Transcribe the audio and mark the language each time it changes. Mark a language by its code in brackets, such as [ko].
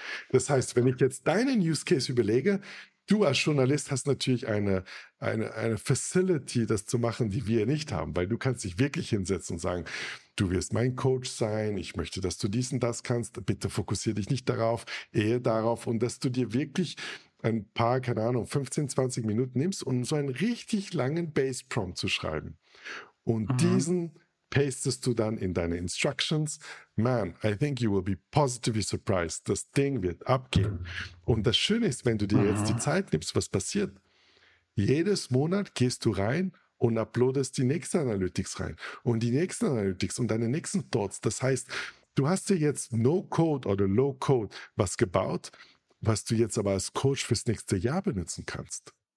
[de] Das heißt, wenn ich jetzt deinen Use Case überlege, du als Journalist hast natürlich eine Facility, das zu machen, die wir nicht haben, weil du kannst dich wirklich hinsetzen und sagen, du wirst mein Coach sein, ich möchte, dass du dies und das kannst, bitte fokussiere dich nicht darauf, eher darauf, und dass du dir wirklich ein paar, keine Ahnung, 15, 20 Minuten nimmst, um so einen richtig langen Base-Prompt zu schreiben. Und diesen pastest du dann in deine Instructions. [en] Man, I think you will be positively surprised. [de] Das Ding wird abgehen. Und das Schöne ist, wenn du dir jetzt die Zeit nimmst, was passiert? Jedes Monat gehst du rein und uploadest die nächste Analytics rein. Und die nächste Analytics und deine nächsten Thoughts. Das heißt, du hast dir jetzt No-Code oder Low-Code was gebaut, was du jetzt aber als Coach fürs nächste Jahr benutzen kannst.